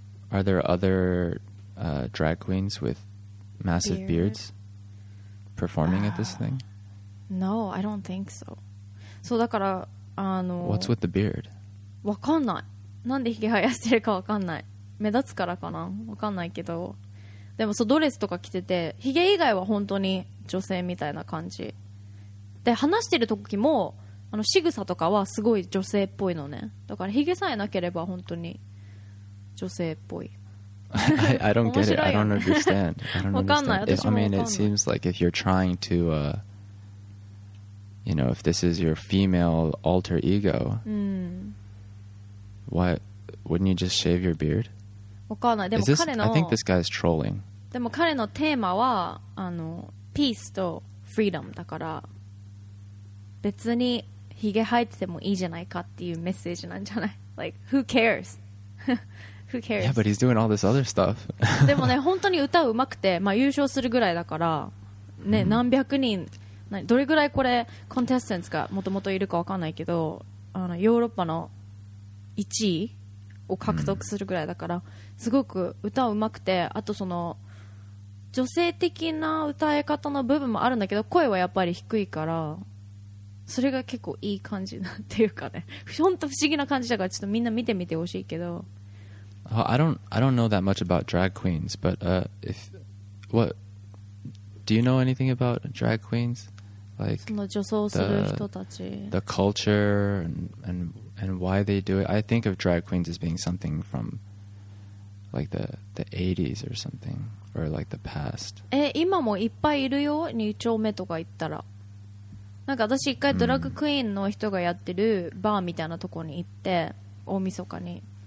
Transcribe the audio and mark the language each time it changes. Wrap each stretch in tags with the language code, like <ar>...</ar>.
<en>Are there other drag queens with massive beards performing at this thing? No, I don't think so. So</en> <ja>だからあの、</ja> <en>What's with the beard?</en> <ja>わかんない、なんでヒゲ生やしてるかわかんない、目立つからかな、わかんないけど、でもそうドレスとか着てて、ヒゲ以外は本当に女性みたいな感じで、話してる時もあの仕草とかはすごい女性っぽいのね。だからヒゲさえなければ本当に女性っぽい。</ja> <en>I don't get it. I don't understand.</en> <ja>わかんない、私もわかんない。</ja> <en>I mean, it seems like if you're trying to you know, if this is your female alter ego、</en> <ja>うん、</ja> <en>what wouldn't you just shave your beard?</en> <ja>わかんない。でも彼の、</ja> <en>I think this guy is trolling.</en> <ja>でも彼のテーマはあの peace と freedom だから、別にひげ生えててもいいじゃないかっていうメッセージなんじゃない。</ja> <en>Like who cares? who cares? Yeah, but he's doing all this other stuff.</en> <ja>でもね、本当に歌うまくて、まあ、優勝するぐらいだから、ね、何百人、どれぐらいこれコンテスタントがもともといるかわかんないけど、あのヨーロッパの1位を獲得するぐらいだから、うん、すごく歌うまくて、あとその女性的な歌い方の部分もあるんだけど、声はやっぱり低いから、それが結構いい感じなんていうかね、ほんと不思議な感じだから、ちょっとみんな見てみてほしいけど。</ja> <en>I don't know that much about drag queens, but if what do you know anything about drag queens? Like</en> <ja>その女装する人たち、</ja> <en>the culture and why they do it. I think of drag queens as being something from like the 80s or something, or like the past.</en> <ja>今もいっぱいいるよ、2丁目とか行ったら。なんか私一回ドラッグクイーンの人がやってるバーみたいなとこに行って大晦日に</ja>